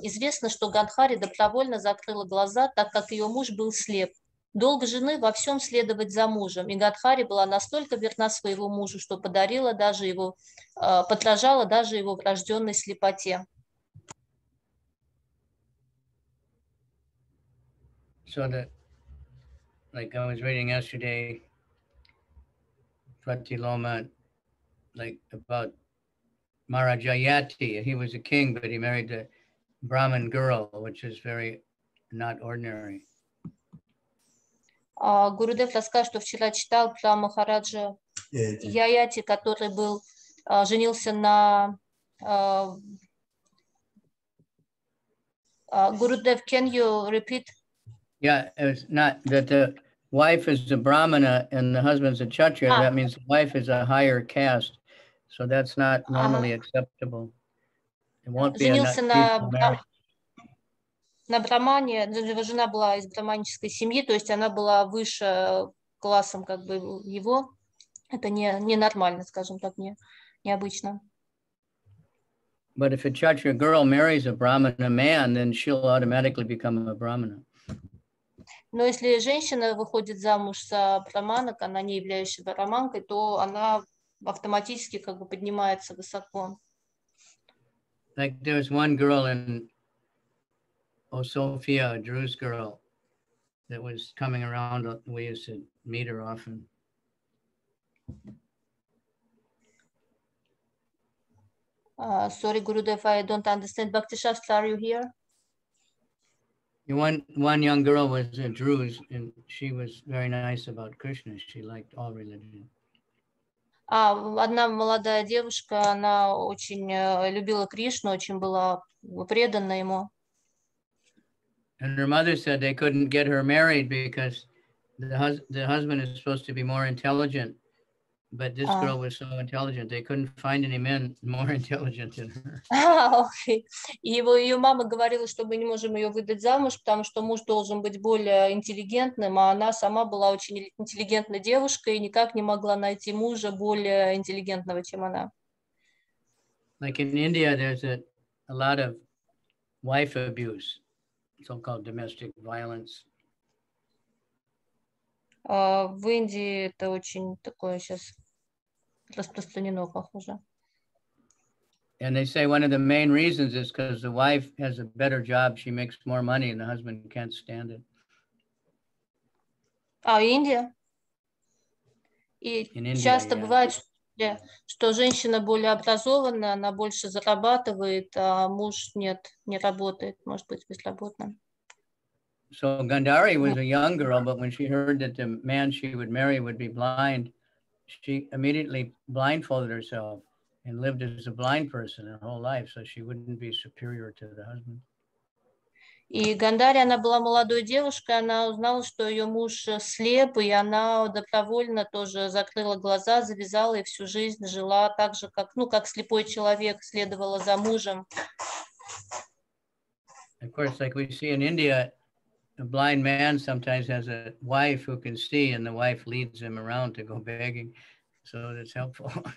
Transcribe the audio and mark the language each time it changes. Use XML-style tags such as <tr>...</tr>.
<ru>Известно, что Гандхари добровольно закрыла глаза, так как ее муж был слеп. Долг жены во всем следовать за мужем. И Гандхари была настолько верна своему мужу, что подарила даже его, подражала даже его врожденной слепоте.</ru> <en>So that, like I was reading yesterday, Prati Loma, like about Marajayati, he was a king, but he married a Brahmin girl, which is very not ordinary.</en> <ru>Гурудев рассказал, что вчера читал про Махараджа Яяти, который был женился на Гурудев.</ru> <en>Can you repeat? Yeah, it's not that the wife is a brahmana and the husband's a kshatriya. Ah. That means the wife is a higher caste, so that's not normally acceptable. It won't be</en> <ru>женился на на брамане. Его жена была из браманической семьи, то есть она была выше классом, как бы его. Это не нормально, скажем так, необычно.</ru> <en>But if a kshatriya girl marries a brahmana man, then she'll automatically become a brahmana.</en> <ru>Но если женщина выходит замуж за браманок, она не являющаяся браманкой, то она автоматически как бы поднимается высоко.</ru> <en>Like there was one girl in Sophia, a Druze girl, that was coming around. We used to meet her often. Sorry, Gurudev, I don't understand. Bhaktishastra, are you here? One young girl was a Druze, and she was very nice about Krishna. She liked all religion.</en> <ru>Одна молодая девушка, она очень любила Кришну, очень была предана ему.</ru> <en>And her mother said they couldn't get her married because the husband is supposed to be more intelligent, but this girl was so intelligent they couldn't find any men more intelligent than her. Okay.</en> <ru>Ее мама говорила, что мы не можем ее выдать замуж, потому что муж должен быть более интеллигентным, а она сама была очень интеллигентной девушкой и никак не могла найти мужа более интеллигентного, чем она.</ru> <en>Like in India, there's a lot of wife abuse, so-called domestic violence.</en> <ru>В Индии это очень такое сейчас распространено, похоже.</ru> <en>And they say one of the main reasons is because the wife has a better job, she makes more money, and the husband can't stand it.</en> <ru>Индия. Часто бывает, что женщина более образованная, она больше зарабатывает, а муж нет, не работает, может быть, безработным.</ru> <en>So Gandhari was a young girl, but when she heard that the man she would marry would be blind, she immediately blindfolded herself and lived as a blind person her whole life, so she wouldn't be superior to the husband.</en> <ru>И Гандхари, она была молодой девушкой, она узнала, что ее муж слеп, и она добровольно тоже закрыла глаза, завязала и всю жизнь жила так же, как, ну, как слепой человек, следовала за мужем.</ru> <en>Of course, like we see in India, a blind man sometimes has a wife who can see, and the wife leads him around to go begging, so that's helpful.</en>